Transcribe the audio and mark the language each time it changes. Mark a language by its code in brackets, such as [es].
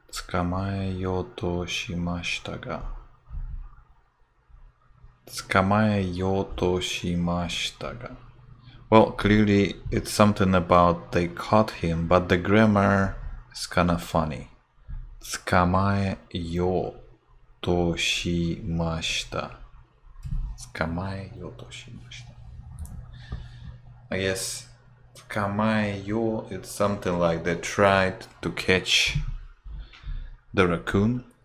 [ja] 捕まえようとしましたが、捕まえようとしましたが。 [en] Well, clearly it's something about they caught him, but the grammar is kind of funny. [ja] 捕まえようとしました。捕まえようとしました。 [en] I guess. Kamaeyo, it's something like they tried to catch the raccoon.